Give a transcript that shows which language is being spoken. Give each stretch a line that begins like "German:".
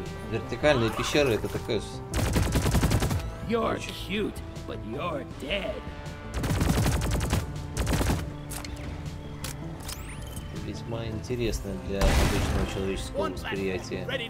Russian: вертикальные пещеры, это такое.
English: You're cute, but you're dead.
Russian: Весьма интересно для обычного человеческого восприятия.